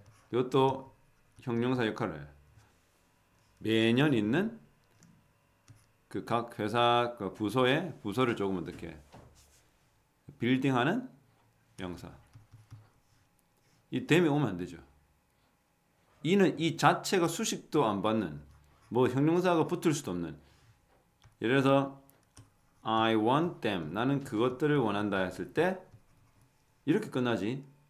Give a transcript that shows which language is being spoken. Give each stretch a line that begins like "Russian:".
Korean: 이것도 형용사 역할을 해. 매년 있는 그 각 회사 그 부서의 부서를 조금 어떻게 빌딩하는 명사. 이 됨이 오면 안 되죠. 이는 이 자체가 수식도 안 받는 뭐 형용사가 붙을 수도 없는.
English: 예를 들어서 I want them.
Korean: 나는 그것들을 원한다 했을 때 이렇게 끝나지.